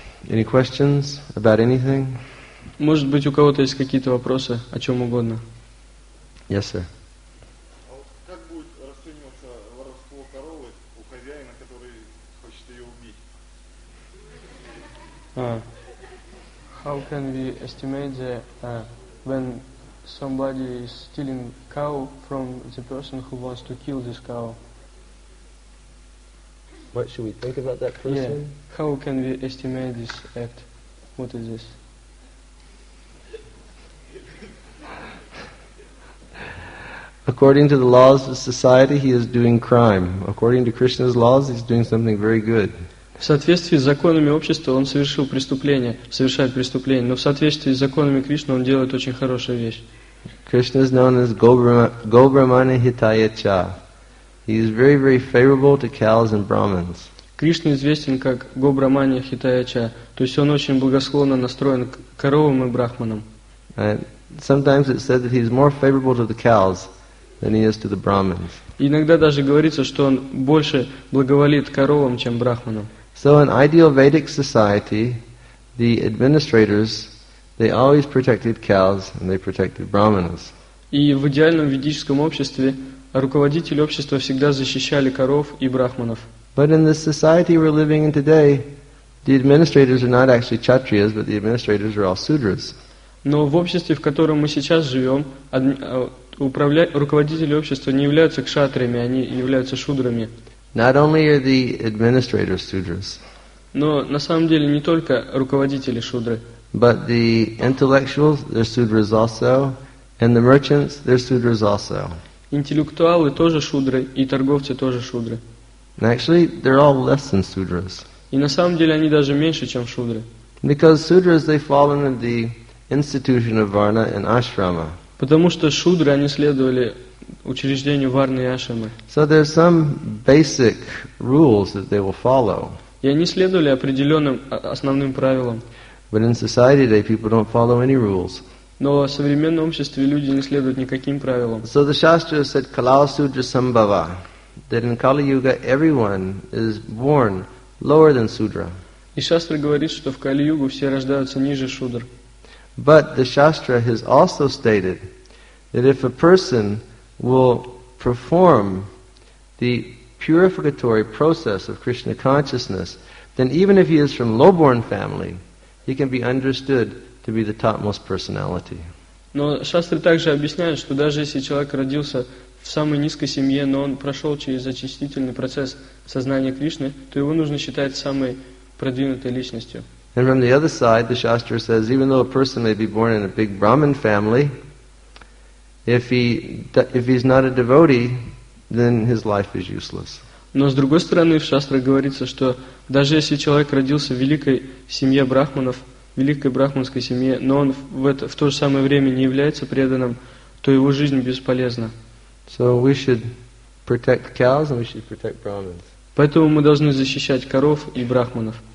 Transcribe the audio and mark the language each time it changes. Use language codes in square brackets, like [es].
[en] Any questions about anything? [ru] Может быть, у кого-то есть какие-то вопросы о чем угодно? [en] Yes, sir. [ru] А вот как будет расцениваться воровство коровы у хозяина, который хочет ее убить? [en] How can we estimate the when somebody is stealing cow from the person who wants to kill this cow? What should we think about that person? Yeah. How can we estimate this act? What is this? According to the laws of society, he is doing crime. According to Krishna's laws, he's doing something very good. [ru] В соответствии с законами общества он совершил преступление, совершает преступление. Но в соответствии с законами Кришны он делает очень хорошую вещь. [en] Krishna is known as Gobrahmana Hitayacha. He is very, very favorable to cows and Brahmins. [ru] Кришна известен как Гобрамани Хитаяча, то есть он очень благосклонно настроен к коровам и брахманам. [en] Sometimes it's said that he is more favorable to the cows than he is to the Brahmins. [ru] Иногда даже говорится, что он больше благоволит коровам, чем брахманам. [en] So in ideal Vedic society, the administrators, they always protected cows and they protected Brahmins. [ru] И в идеальном ведическом обществе руководители общества всегда защищали коров и брахманов. [en] But in the society we're living in today, the administrators are not actually kshatriyas, but the administrators are all sudras. [ru] Но в обществе, в котором мы сейчас живем, руководители общества не являются кшатриями, они являются шудрами. [en] Not only are the administrators sudras. [ru] Но на самом деле не только руководители шудры. [en] But the intellectuals, they're sudras also, and the merchants, they're sudras also. [ru] Интеллектуалы тоже шудры, и торговцы тоже шудры. [en] Actually, they're all less than sudras. [ru] И на самом деле они даже меньше, чем шудры. [en] Because sudras, they fall under the institution of varna and ashrama. [ru] Потому что шудры, они следовали учреждению варны и ашрамы. [en] So there are some basic rules that they will follow. [ru] И они следовали определенным основным правилам. [en] But in society today, people don't follow any rules. [ru] Но в современном обществе люди не следуют никаким правилам. [en] So the Shastra said [sa] Kala Sudra Sambhava, [en] that in Kali Yuga everyone is born lower than Sudra. [ru] И Шастра говорит, что в Кали-Югу все рождаются ниже Шудр. [en] But the Shastra has also stated that if a person will perform the purificatory process of Krishna consciousness, then even if he is from low-born family, he can be understood to be the topmost personality. [ru] Но Шастра также объясняет, что даже если человек родился в самой низкой семье, но он прошел через очистительный процесс сознания Кришны, то его нужно считать самой продвинутой личностью. [en] And from the other side, the Shastra says, even though a person may be born in a big Brahmin family, if he's not a devotee, then his life is useless. [ru] Но с другой стороны, в Шастре говорится, что даже если человек родился в великой семье брахманов, в великой брахманской семье, но он в то же самое время не является преданным, то его жизнь бесполезна. [en] So we should protect cows and we should protect Brahmins. [ru] Поэтому мы должны защищать коров и брахманов.